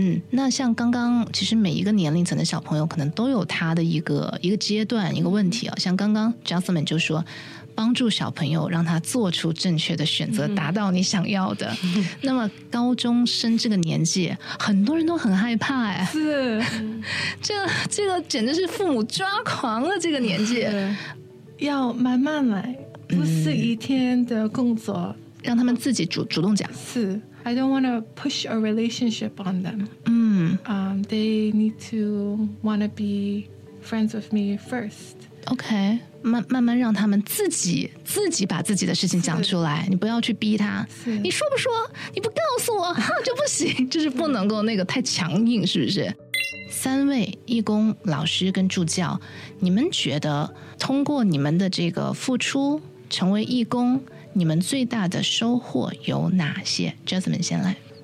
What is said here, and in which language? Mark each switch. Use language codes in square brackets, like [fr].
[zh] 那像刚刚其实每一个年龄层的小朋友可能都有他的一个阶段一个问题像刚刚 Jasmine 就说帮助小朋友让他做出正确的选择达到你想要的那么高中生这个年纪很多人都很害怕是这个简直是父母抓狂了这个年纪要慢慢来不是一天的工作让他们自己主动讲 [en] 是 I don't want to push a relationship on them they need to want to be friends with me first [zh] OK 慢慢让他们自己把自己的事情讲出来你不要去逼他是你说不说你不告诉我就不行就是不能够那个太强硬是不是三位义工老师跟助教你们觉得通过你们的这个付出成为义工你们最大的收获有哪些 Jasmine 先来